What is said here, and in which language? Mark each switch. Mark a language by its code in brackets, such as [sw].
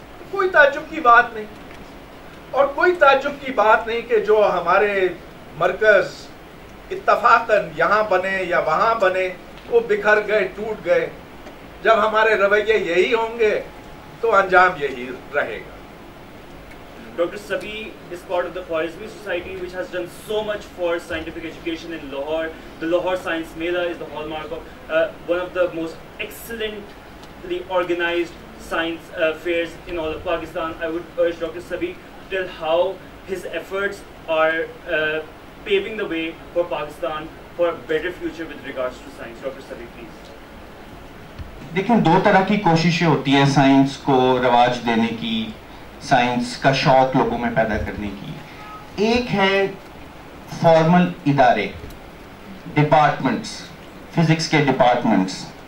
[ur] کوئی تعجب کی بات نہیں, اور کوئی تعجب کی بات نہیں کہ جو ہمارے مرکز اتفاقاً یہاں بنے یا وہاں بنے وہ بکھر گئے, ٹوٹ گئے. جب ہمارے رویے یہی ہوں گے تو انجام یہی رہے گا. [en] Doctor Sabieh is part of the Pervez Society, which has done so much for scientific education in Lahore. The Lahore Science Mela is the hallmark of one of the most excellently organized science fairs in all of Pakistan. I would urge Dr. Sabieh to tell how his efforts are paving the way for Pakistan for a better future with regards to science. Dr. Sabieh, please. [ur] دیکھیں دو طرح کی کوششیں ہوتی ہیں science کو رواج دینے کی, سائنس کا شوق لوگوں میں پیدا کرنے کی. ایک ہے فارمل ادارے, ڈپارٹمنٹس, فزکس کے ڈپارٹمنٹس,